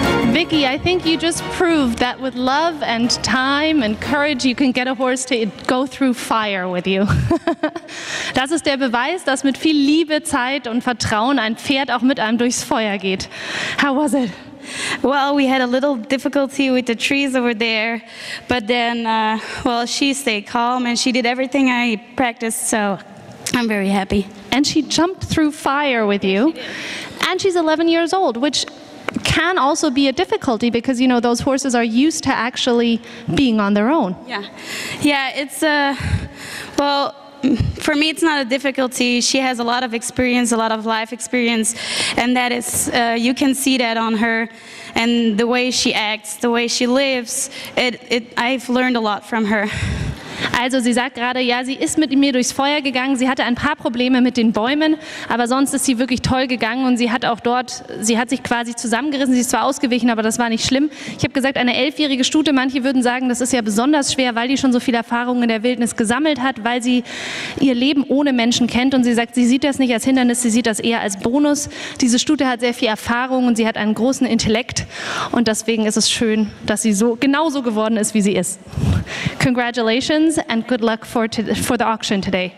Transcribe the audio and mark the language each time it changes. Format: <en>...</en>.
<en>Vicky, I think you just proved that with love and time and courage, you can get a horse to go through fire with you.</en> <de>Das ist der Beweis, dass mit viel Liebe, Zeit und Vertrauen ein Pferd auch mit einem durchs Feuer geht.</de> <en>How was it? Well, we had a little difficulty with the trees over there, but then, well, she stayed calm and she did everything I practiced, so I'm very happy. And she jumped through fire with you. And she's 11 years old, which can also be a difficulty because, you know, those horses are used to actually being on their own. Yeah. Yeah, it's a, well, for me, it's not a difficulty. She has a lot of experience, a lot of life experience, and that is, you can see that on her and the way she acts, the way she lives. I've learned a lot from her.</en> <de>Also sie sagt gerade, ja, sie ist mit mir durchs Feuer gegangen, sie hatte ein paar Probleme mit den Bäumen, aber sonst ist sie wirklich toll gegangen und sie hat auch dort, sie hat sich quasi zusammengerissen, sie ist zwar ausgewichen, aber das war nicht schlimm. Ich habe gesagt, eine 11-jährige Stute, manche würden sagen, das ist ja besonders schwer, weil die schon so viel Erfahrung in der Wildnis gesammelt hat, weil sie ihr Leben ohne Menschen kennt und sie sagt, sie sieht das nicht als Hindernis, sie sieht das eher als Bonus. Diese Stute hat sehr viel Erfahrung und sie hat einen großen Intellekt und deswegen ist es schön, dass sie so genauso geworden ist, wie sie ist.</de> <en>Congratulations and good luck for the auction today.</en>